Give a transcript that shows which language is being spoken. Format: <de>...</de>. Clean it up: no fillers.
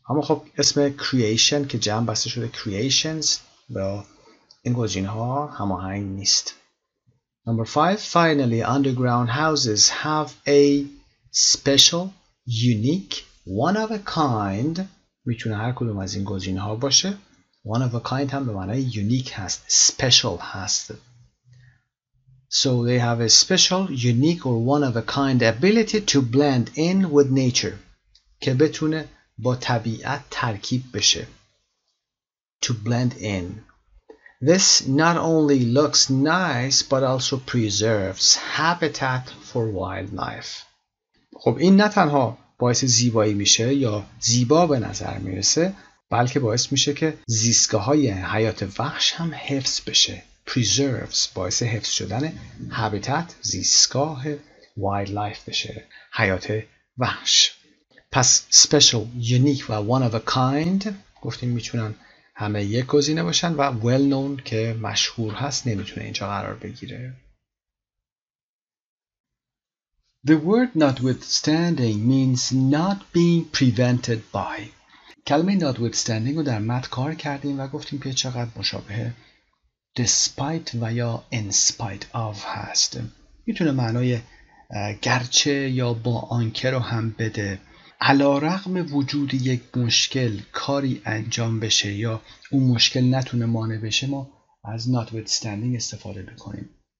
<fa>اما خب اسم creation که جمع بسته شده creations با این گزینه‌ها هماهنگ نیست.</fa> <en>Number 5. Finally, underground houses have a special, unique, one of a kind.</en> <fa>میتونه هر کدوم از این گزینه‌ها باشه. One of a kind هم به معنی unique هست، special هست.</fa> <en>So they have a special, unique or one of a kind ability to blend in with nature.</en> <fa>که بتونه با طبیعت ترکیب بشه. To blend in.</fa> <en>This not only looks nice but also preserves habitat for wildlife.</en> <fa>خب این نه تنها باعث زیبایی میشه یا زیبا به نظر میرسه، بلکه باعث میشه که زیستگاه های حیات وحش هم حفظ بشه. Preserves باعث حفظ شدن habitat، زیستگاه wildlife بشه، حیات وحش. پس special، unique و one of a kind گفتیم میتونن همه یک گزینه باشن و well known که مشهور هست نمیتونه اینجا قرار بگیره.</fa> <en>The word notwithstanding means not being prevented by.</en> <fa>کلمه notwithstanding رو در مد کار کردیم و گفتیم که چقدر مشابه despite و یا in spite of هست. میتونه معنای گرچه یا با آنکه رو هم بده. علارغم وجود یک مشکل کاری انجام بشه یا اون مشکل نتونه مانع بشه، ما از notwithstanding استفاده بکنیم.</fa>